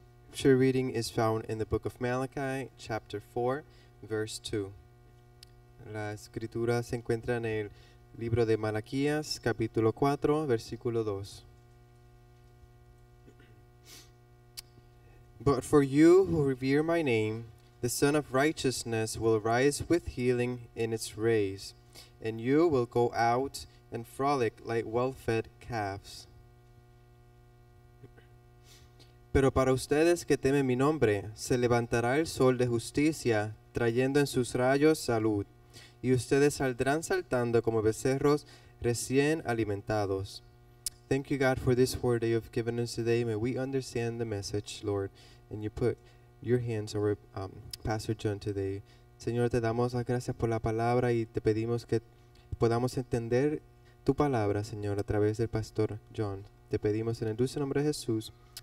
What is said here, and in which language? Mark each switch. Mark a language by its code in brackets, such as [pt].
[en] The scripture reading is found in the book of Malachi, chapter 4, verse 2. [es] La escritura se encuentra en el libro de Malaquías, capítulo 4, versículo 2. [en] But for you who revere my name, the Son of Righteousness will rise with healing in its rays, and you will go out and frolic like well-fed calves. [es] Pero para ustedes que temen mi nombre, se levantará el sol de justicia, trayendo en sus rayos salud, y ustedes saldrán saltando como becerros recién alimentados. [en] Thank you, God, for this word that you have given us today. May we understand the message, Lord, and you put your hands over Pastor John today. [es] Señor, te damos las gracias por la palabra y te pedimos que podamos entender tu palabra, Señor, a través del Pastor John. Te pedimos en el dulce nombre de Jesús.